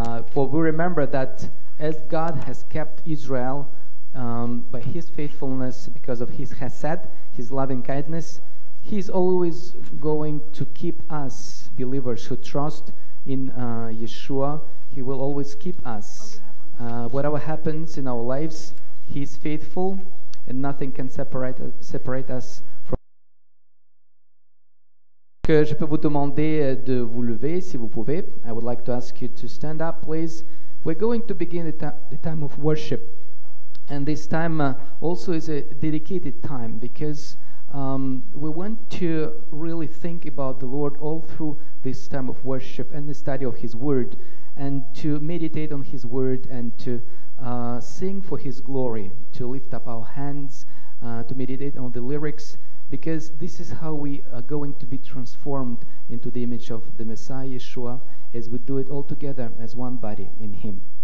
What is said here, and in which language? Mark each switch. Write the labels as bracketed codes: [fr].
[en] For we remember that as God has kept Israel by his faithfulness, because of his chesed, his loving kindness, he's always going to keep us, believers who trust in Yeshua. He will always keep us. Whatever happens in our lives, he is faithful, and nothing can separate us from. [fr] Que je peux vous demander de vous lever, si vous pouvez. [en] I would like to ask you to stand up, please. We're going to begin the time of worship. And this time also is a dedicated time, because we want to really think about the Lord all through this time of worship and the study of His Word, and to meditate on His Word, and to sing for His glory, to lift up our hands, to meditate on the lyrics, because this is how we are going to be transformed into the image of the Messiah Yeshua, as we do it all together as one body in Him.